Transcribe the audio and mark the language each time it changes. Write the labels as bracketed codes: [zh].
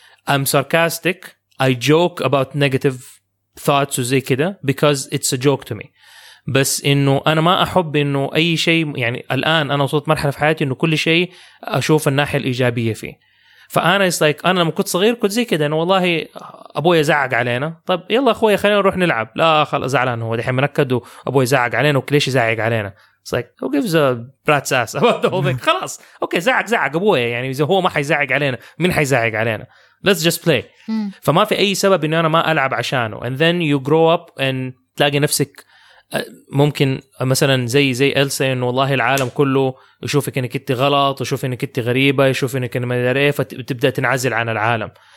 [en] I'm sarcastic, I joke about negative thoughts [ar] وزي كده [en] because it's a joke to me. [ar] بس انه انا ما احب انه اي شيء يعني الان انا وصلت مرحله في حياتي انه كل شيء اشوف الناحيه الايجابيه فيه. فانا استايك انا لما كنت صغير كنت زي كده انه والله ابوي زعق علينا طيب يلا اخويا خلينا نروح نلعب. لا خلاص زعلان هو دحين منكد وابوي زعق علينا وكليش زعق علينا. [en] It's like who gives a brat's ass about the whole thing. [ar] خلاص اوكي زعق زعق ابوي يعني اذا هو ما حيزعق علينا مين حيزعق علينا. [en] Let's just play. [ar] فما في اي سبب انه انا ما العب عشانه. [en] And then you grow up and [ar] تلاقي نفسك ممكن مثلا زي إلسا انه والله العالم كله يشوفك انك انت غلط ويشوف انك انت غريبه يشوف انك ما ادري ايه فتبدا تنعزل عن العالم.